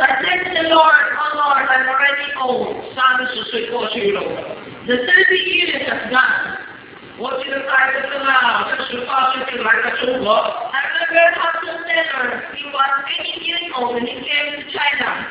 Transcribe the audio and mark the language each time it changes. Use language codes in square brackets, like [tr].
[en] I said to the Lord, "Oh Lord, I'm already old." [zh] 30岁过去了。The [en] 30 years have gone. [zh] 我记得大学生啊，他18岁就来到中国。 [en] I remember how to say that he was 18 years old when he came to China.